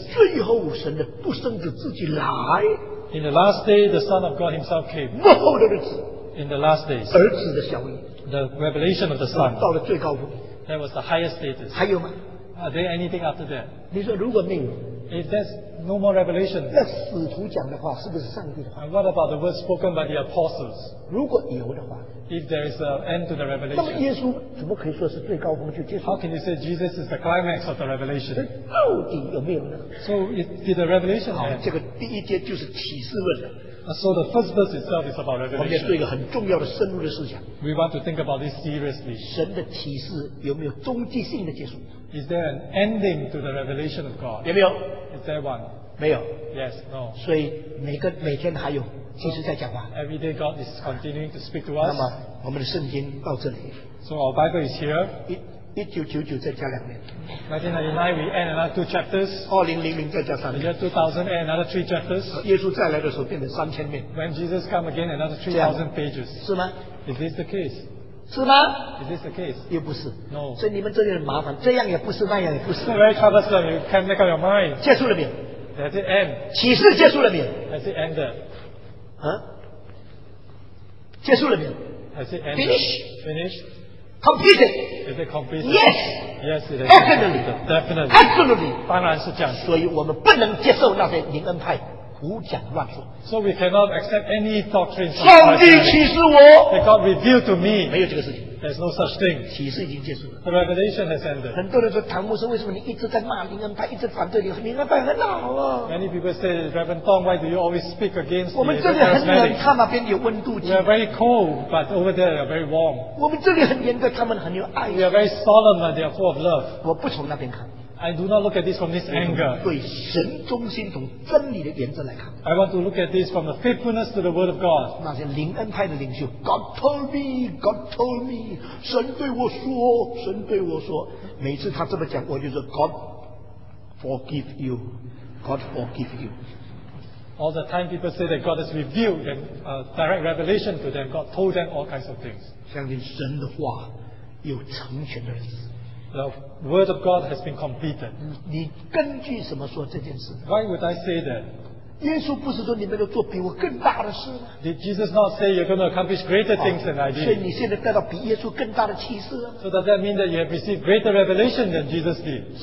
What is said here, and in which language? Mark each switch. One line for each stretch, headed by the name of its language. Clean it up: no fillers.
Chinese: 最后神的不生子自己来,
English: in the last day, the Son of God himself came.
Chinese: 末后的日子,
English: in the last days,
Chinese: 儿子的小矣,
English: the revelation of the Son.
Chinese: 到了最高峰,
English: that was the highest status.
Chinese: 还有吗?
English: Are there anything after that?
Chinese: 你说如果没有,
English: if there's no more revelation,
Chinese: 那使徒讲的话,
English: and what about the words spoken by the apostles?
Chinese: 如果有的话,
English: if there is an end to the revelation,
Chinese: 那么耶稣怎么可以说是最高峰就结束?
English: How can you say Jesus is the climax of the revelation?
Chinese: 到底有没有呢?
English: So it, did the revelation
Chinese: 好,
English: end?
Chinese: 这个第一节就是启示论的,
English: so the first verse itself is about revelation.
Chinese: 我们也做一个很重要的深入的思想,
English: we want to think about this seriously.
Chinese: 神的启示有没有终极性的结束?
English: Is there an ending to the revelation of God?
Chinese: 有没有?
English: Is there one?
Chinese: 没有?
English: Yes, no.
Chinese: 所以每天还有,
English: so, every day God is continuing to speak to us.
Chinese: 那么我们的圣经到这里,
English: so our Bible is here.
Chinese: 1999再加两年,
English: 1999 we add another two chapters.
Chinese: 2000再加三年,
English: 2000 add another three chapters.
Chinese: 耶稣再来的时候变成3000面,
English: when Jesus come again, another 3000 pages.
Chinese: 是吗?
English: Is this the case?
Chinese: 是吗?
English: Is this the case?
Chinese: 又不是,
English: no.
Chinese: 所以你们这里很麻烦, 这样也不是, 那样也不是,
English: it's very troublesome. You can't make up your mind.
Chinese: 结束了没有?
English: Has it end?
Chinese: 启示结束了没有?
English: Has it ended?
Chinese: 啊?结束了没有?
English: Has it ended? Finished? Completed? Is it completed? Yes! Yes, it is. Definitely. Absolutely.
Chinese: 当然是这样, 所以我们不能接受那些灵恩派胡讲乱说,
English: so we cannot accept any doctrine.
Chinese: 上帝启示我,
English: that God revealed to me.
Chinese: 没有这个事情,
English: there's no such thing.
Chinese: 启示已经结束了,
English: the revelation has ended.
Chinese: 很多人说, 唐牧师为什么你一直在骂灵恩派, 一直反对灵恩派很老啊,
English: many people say, Reverend Tong, why do you always speak against the charismatic? We are very cold, but over there they are very warm.
Chinese: 我们这里很严格,
English: we are very solemn and they are full of love.
Chinese: 我不从那边看,
English: I do not look at this from this anger.
Chinese: 对神中心同真理的原则来看,
English: I want to look at this from the faithfulness to the word of God.
Chinese: 那些灵恩派的领袖,
English: God told me,
Chinese: 神对我说, 每次他这么讲, 我就说,
English: God forgive you. All the time people say that God has revealed and direct revelation to them, God told them all kinds of things.
Chinese: 相信神的话有成全的日子,
English: the word of God has been completed.
Chinese: 你根据什么说这件事?
English: Why would I say that?
Chinese: 耶稣不是说你们要做比我更大的事吗?
English: Did Jesus not say you're going to accomplish greater things than I did?
Chinese: 所以你现在得到比耶稣更大的启示啊?
English: So does that mean that you have received greater revelation than Jesus did?